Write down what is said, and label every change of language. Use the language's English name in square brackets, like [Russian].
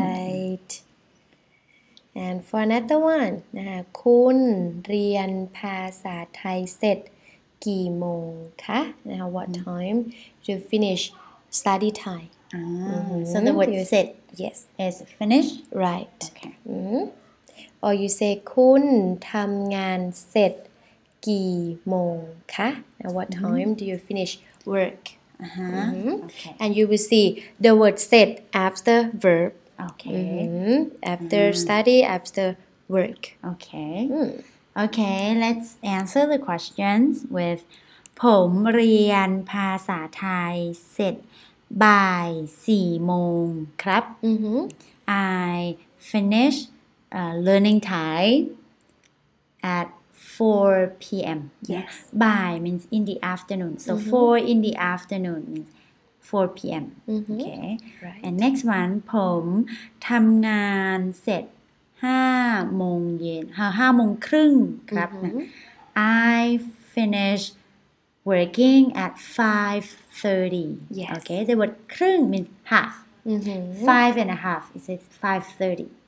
[Thai] Right And for another one นะคุณเรียนภาษาไทยเสร็จกี่โมงคะนะ [English] What time do you finish study Thai So the word you said yes is finish right okay or you say [Thai] คุณทำงานเสร็จกี่โมงคะ [English] Now what time do you finish work okay. and you will see the word said after verb okay after study after work okay okay let's answer the questions with [Thai] ผมเรียนภาษาไทยเสร็จบ่าย4โมงครับ [English] I finish learning Thai at 4 p.m. Yes. บ่าย means in the afternoon. So 4 in the afternoon means 4 p.m. Okay. Right. [Thai] And next one ผมทำงานเสร็จ5โมงเย็น5โมงครึ่งครับ [English] I finishworking at 5:30 yes okay the word ครึ่ง means half five and a half it says 5:30